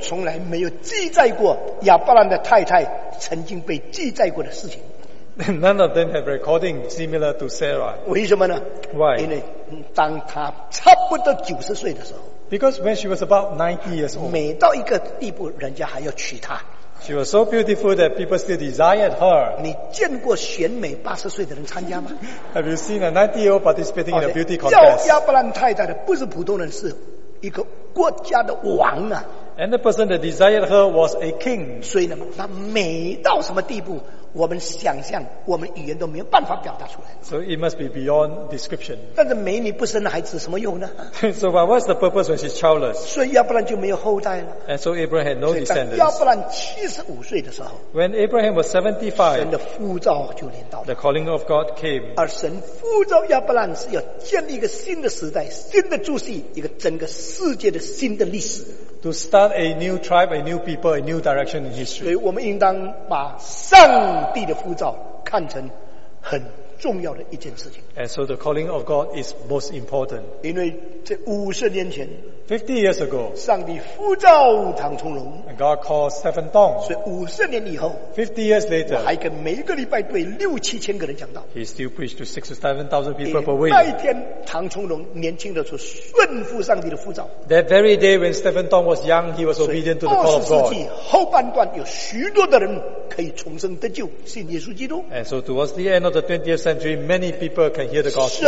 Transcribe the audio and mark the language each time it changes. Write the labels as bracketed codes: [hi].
[zh] 从来没有记载过亚伯兰的太太。曾经被记载过的事情。 [en] None of them have recording similar to Sarah. [zh] 为什么呢 [en] ？Why? [zh] 因为当她差不多90岁的时候 [en] ，Because when she was about 90 years old, [zh] 美到一个地步，人家还要娶她。 [en] She was so beautiful that people still desired her. [zh] 你见过选美80岁的人参加吗 [en] ？Have you seen a 90-year-old participating in a beauty contest? [zh] 亚伯兰太太的不是普通人，是一个国家的王啊。 [en] And the person that desired her was a king. [zh] 所以呢，那美到什么地步，我们想象，我们语言都没有办法表达出来。 [en] So it must be beyond description. [zh] 但是美女不生孩子什么用呢 [en] ？So but what's the purpose when she's childless? [zh] 所以亚伯兰就没有后代了。 [en] And so Abraham had no descendants. [zh] 亚伯兰75岁的时候 [en] ，When Abraham was 75, [zh] 神的呼召就临到了。 [en] The calling of God came. [zh] 而神呼召亚伯兰是要建立一个新的时代、新的注释、一个整个世界的新的历史。 [en] To start a new tribe, a new people, a new direction in history. [zh] 所以我们应当把上帝的呼召看成很重要的一件事情。 [en] And so the calling of God is most important. [zh] 因为这50年前 [en] 50 years ago, [zh] 上帝呼召唐崇荣 [en] and God called Stephen Tong. [zh] 所以50年以后 [en] 50 years later, [zh] 还跟每一个礼拜对六七千个人讲道 [en] He still preached to 6,000 to 7,000 people per week. [zh] 那一天唐崇荣年轻的时候顺服上帝的呼召 [en] That very day when Stephen Tong was young, he was obedient to the call of God. [zh] 20世纪后半段有许多的人可以重生得救信耶稣基督 [en] And so towards the end of the 20th century, many people can hear the gospel.